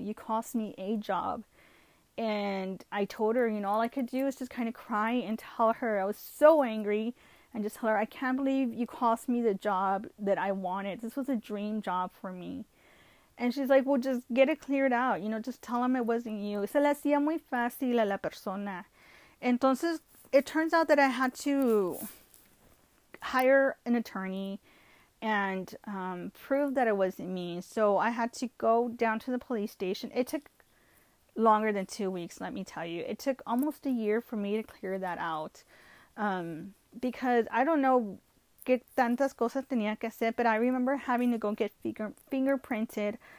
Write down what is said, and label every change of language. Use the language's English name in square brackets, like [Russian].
[English] You cost me a job. And I told her, all I could do is just kind of cry and tell her I was so angry. And just tell her, I can't believe you cost me the job that I wanted. This was a dream job for me. And she's like, well, just get it cleared out. Just tell him it wasn't you. [Spanish] Se le hacía muy fácil a la persona. Entonces, [English] it turns out that I had to hire an attorney and prove that it wasn't me. So I had to go down to the police station. It took longer than 2 weeks, let me tell you. It took almost a year for me to clear that out. Because I don't know [Spanish] qué tantas cosas tenía que hacer, [English] but I remember having to go get fingerprinted.